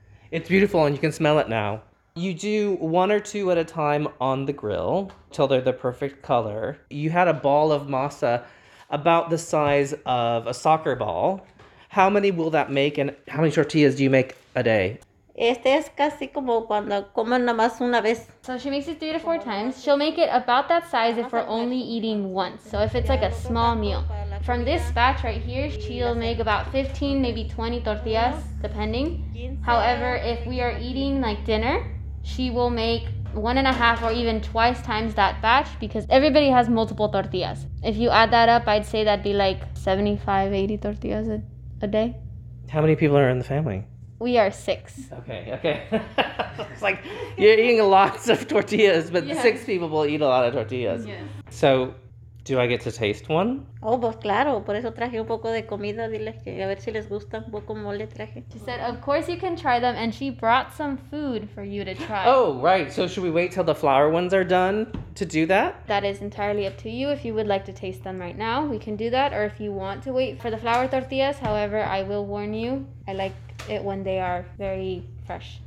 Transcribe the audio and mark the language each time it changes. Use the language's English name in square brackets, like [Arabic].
[English] It's beautiful and you can smell it now. You do one or two at a time on the grill till they're the perfect color. You had a ball of masa about the size of a soccer ball. How many will that make, and how many tortillas do you make a day? [Spanish] Este es casi como cuando comen nada más una vez. [English] So she makes it 3 to 4 times. She'll make it about that size if we're only eating once. So if it's like a small meal. From this batch right here, she'll make about 15, maybe 20 tortillas, depending. However, if we are eating like dinner, she will make 1.5 or even twice times that batch, because everybody has multiple tortillas. If you add that up, I'd say that'd be like 75, 80 tortillas a day. How many people are in the family? We are 6. Okay. It's like you're eating lots of tortillas, but yes. 6 people will eat a lot of tortillas. Yes. So do I get to taste one? [Spanish] Oh, pues claro. Por eso traje un poco de comida. Dile que a ver si les gusta un poco mole traje. [English] She said, of course you can try them, and she brought some food for you to try. Oh, right. So should we wait till the flour ones are done to do that? That is entirely up to you. If you would like to taste them right now, we can do that. Or if you want to wait for the flour tortillas, however, I will warn you, I like it when they are very fresh.